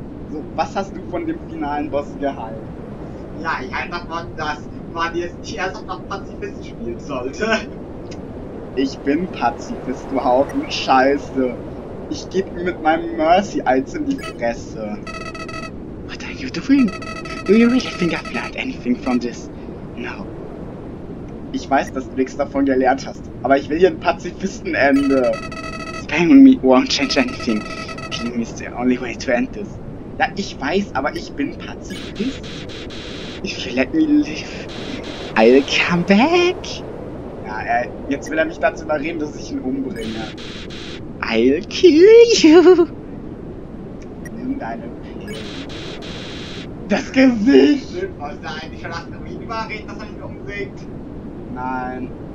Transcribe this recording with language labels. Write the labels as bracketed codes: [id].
[de] So, was hast du von dem finalen Boss gehalten? Ja, ich halte davon, dass man jetzt nicht erst noch Pazifist spielen sollte. Ich bin Pazifist, du Haufen Scheiße. Ich geb ihm mit meinem Mercy eins in die Fresse. [en] What are you doing? Do you really think I've learned anything from this? No. [de] Ich weiß, dass du nichts davon gelernt hast, aber ich will hier ein Pazifistenende. [en] Spamming me won't change anything. Killing is the only way to end this. [de] Ja, ich weiß, aber ich bin Pazifist. [en] If you let me live, I'll come back. [de] Ja, jetzt will er mich dazu überreden, dass ich ihn umbringe. [en] I'll kill you. [de] Nimm deine Pille. Das Gesicht. Stimmt, aus der eigentlich verlassene Ruine überreden, dass er mich umbringt. Nein.